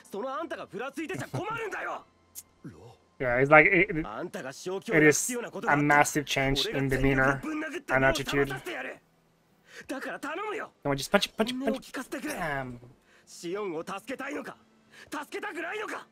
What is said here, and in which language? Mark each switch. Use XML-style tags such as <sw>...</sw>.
<ja>燃え盛る光景、また繰り返すかもしれない。シオンやお前を同じ目に合わせない保証はない。俺を王の力で焼くかもしれないって上等じゃねえか。しっかりしてくれよ。親父が死んだ時、あんたに声をかけられて俺がどれだけ救われたと思ってるんだ。俺はあんたについていくって決めたんだ。そのあんたがふらついてちゃ困るんだよ。</ja> <en>Yeah, it's like it is a massive change in demeanor and attitude.</en> <ja>だから頼むよ。でもパチパチパチ。聞かせてくれ。シオンを助けたいのか、助けたくないのか。</ja>